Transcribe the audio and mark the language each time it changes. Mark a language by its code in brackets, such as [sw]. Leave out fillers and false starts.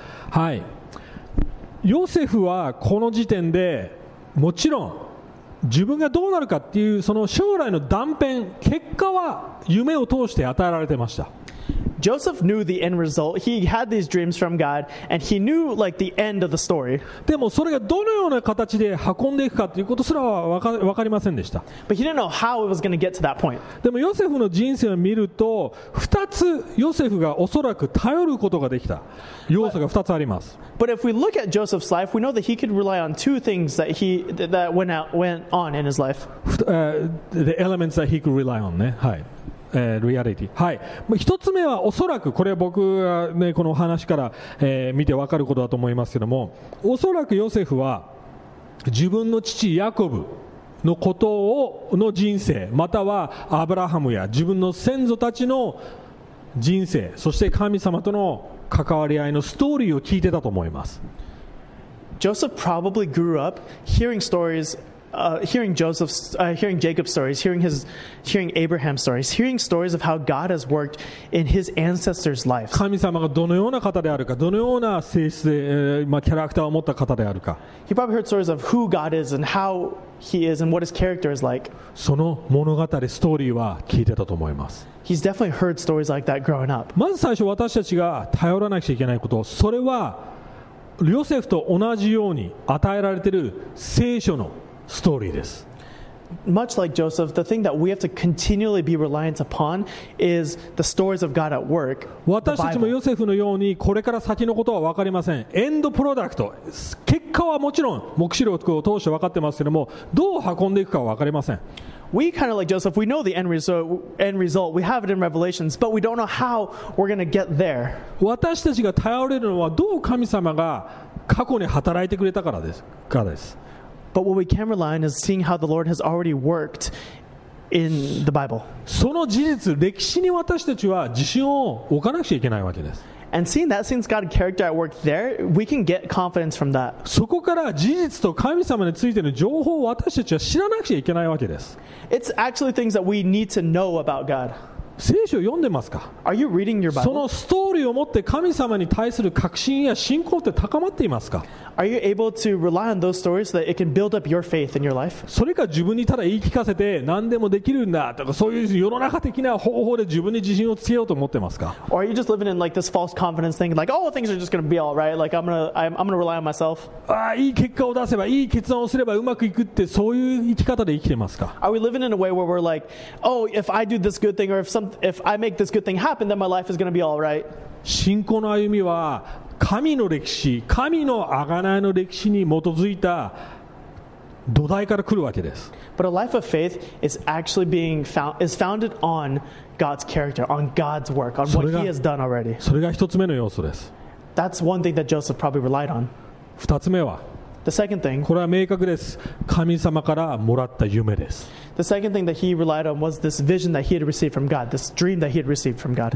[ja] はい、ヨセフはこの時点でもちろん自分がどうなるかっていうその将来の断片、結果は夢を通して与えられてました。 [en] Joseph knew the end result. He had these dreams from God, and he knew like the end of the story. [ja] でもそれがどのような形で運んでいくかということすらは分かりませんでした。 [en] But he didn't know how it was going to get to that point. [ja] でもヨセフの人生を見ると、2つヨセフがおそらく頼ることができた要素が2つあります。 [en] But if we look at Joseph's life, we know that he could rely on two things that went on in his life. The elements that he could rely on, ね。 [ja] はい。Reality. はい、一つ目はおそらくこれは僕が、ね、この話から、見て分かることだと思いますけども、おそらくヨセフは自分の父ヤコブのことをの人生、またはアブラハムや自分の先祖たちの人生、そして神様との関わり合いのストーリーを聞いてたと思います。 [en] Joseph probably grew up hearing stories、hearing Jacob's stories, hearing Abraham's stories, hearing stories of how God has worked in his ancestors' lives. [ja] 神様がどのような方であるか、どのような性質で、キャラクターを持った方であるか。 [en] He probably heard stories of who God is and how he is and what his character is like. [ja] その物語、ストーリーは聞いてたと思います。 [en] He's definitely heard stories like that growing up. [ja] まず最初私たちが頼らなくちゃいけないこと、それはヨセフと同じように与えられている聖書のストーリーです。 [en] Much like Joseph, the thing that we have to continually be reliant upon is the stories of God at work. [ja] 私たちもヨセフのようにこれから先のことは分かりません。エンドプロダクト、結果はもちろん黙示録を通して分かってますけども、どう運んでいくかは分かりません。 [en] We kind of like Joseph, we know the end result, we have it in Revelations, but we don't know how we're going to get there. [ja] 私たちが頼れるのはどう神様が過去に働いてくれたからです。 [en] But what we can rely on is seeing how the Lord has already worked in the Bible. [ja] その事実、歴史に私たちは自信を置かなくちゃいけないわけです。 [en] And seeing that, seeing God's character at work there, we can get confidence from that. [ja] そこから事実と神様についての情報を私たちは知らなくちゃいけないわけです。 [en] It's actually things that we need to know about God. [ja] 聖書を読んでますか? [en] Are you reading your Bible? [ja] そのストーリーを持って神様に対する確信や信仰って高まっていますか? [en] Are you able to rely on those stories so that it can build up your faith in your life? [ja] それか自分にただ言い聞かせて何でもできるんだとかそういう世の中的な方法で自分に自信をつけようと思ってますか? [en] Or are you just living in like this false confidence thing like, oh, things are just going to be all right. Like, I'm gonna rely on myself. [ja] いい結果を出せば、いい決断をすればうまくいくってそういう生き方で生きてますか? [en] Are we living in a way where we're like, oh, if I do this good thing or if I make this good thing happen, then my life is going to be all right. [ja] 信仰の歩みは神の歴史、神の贖いの歴史に基づいた土台から来るわけです。 [en] But a life of faith is actually being found, is founded on God's character, on God's work, on what He has done already. [ja] それが一つ目の要素です。 [en] That's one thing that Joseph probably relied on. [ja] 二つ目は、 [en] The second thing, [ja] これは明確です。神様からもらった夢です。 [en] The second thing that he relied on was this vision that he had received from God, this dream that he had received from God.